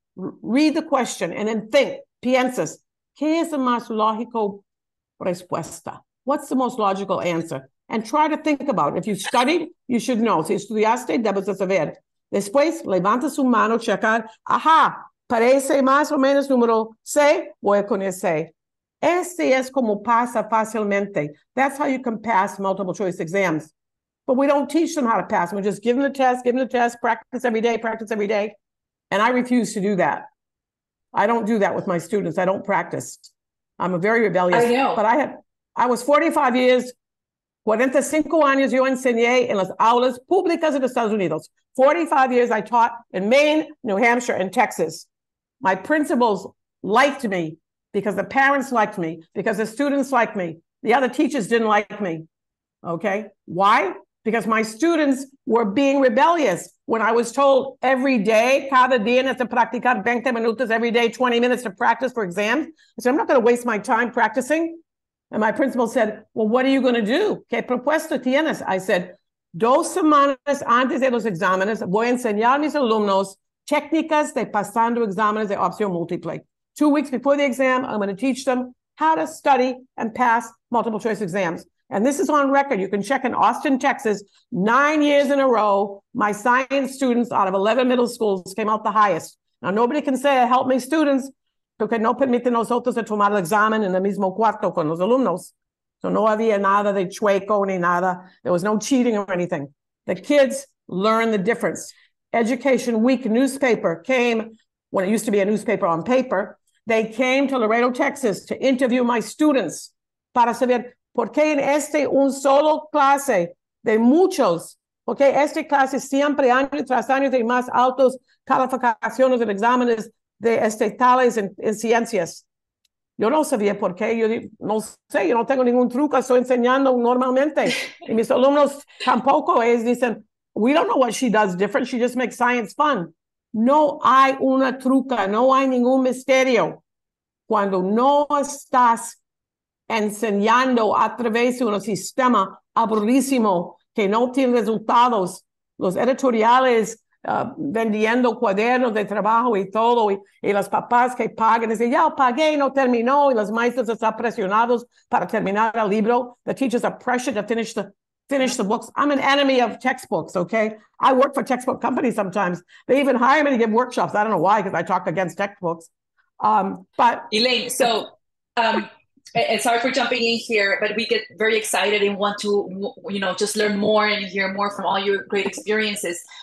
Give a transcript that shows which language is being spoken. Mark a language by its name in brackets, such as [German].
[English] Read the question and then think, [Spanish] piensas, ¿qué es la más lógico respuesta? [English] What's the most logical answer? And try to think about it. If you studied, you should know. [Spanish] Si estudiaste, debes saber. Después, levanta su mano, checar. Ajá, parece más o menos número C, voy con ese. Este es como pasa fácilmente. [English] That's how you can pass multiple choice exams. But we don't teach them how to pass. We just give them the test, practice every day, practice every day. And I refuse to do that. I don't do that with my students. I don't practice. I'm a very rebellious. I know. But I was 45 years, [Spanish] 45 años yo enseñé en las aulas públicas de Estados Unidos. [English] 45 years I taught in Maine, New Hampshire, and Texas. My principals liked me because the parents liked me, because the students liked me. The other teachers didn't like me. Okay? Why? Because my students were being rebellious. When I was told every day, [Spanish] cada día [English] has to practicar 20 minutos every day, 20 minutes to practice for exams. I said, I'm not going to waste my time practicing. And my principal said, well, what are you going to do? [Spanish] ¿Qué propuesta tienes? [English] I said, [Spanish] 2 semanas antes de los exámenes, voy a enseñar a mis alumnos técnicas de pasando exámenes de opción múltiple. [English] 2 weeks before the exam, I'm going to teach them how to study and pass multiple choice exams. And this is on record. You can check in Austin, Texas. 9 years in a row, my science students out of 11 middle schools came out the highest. Now, nobody can say I helped my students [Spanish] porque no permite nosotros de tomar el examen en el mismo cuarto con los alumnos. [English] So [Spanish] no había nada de chueco ni nada. [English] There was no cheating or anything. The kids learn the difference. Education Week newspaper came when it used to be a newspaper on paper. They came to Laredo, Texas to interview my students [Spanish] para saber por qué en este un solo clase de muchos, porque este clase siempre año tras año de más altos calificaciones en exámenes de estatales en ciencias. Yo no sabía por qué, yo no sé, yo no tengo ningún truco, estoy enseñando normalmente. Y mis alumnos tampoco, ellos dicen, [English] we don't know what she does different, she just makes science fun. [Spanish] No hay una truca, no hay ningún misterio. Cuando no estás enseñando a través de un sistema aburrísimo que no tiene resultados, los editoriales vendiendo cuadernos de trabajo y todo, y los papás que pagan, dicen, ya pagué, no terminó, y los maestros están presionados para terminar el libro. [English] The teachers are pressured to finish the books. I'm an enemy of textbooks, okay? I work for textbook companies sometimes. They even hire me to give workshops. I don't know why, because I talk against textbooks. But Elaine, so sorry for jumping in here, but we get very excited and want to, you know, just learn more and hear more from all your great experiences.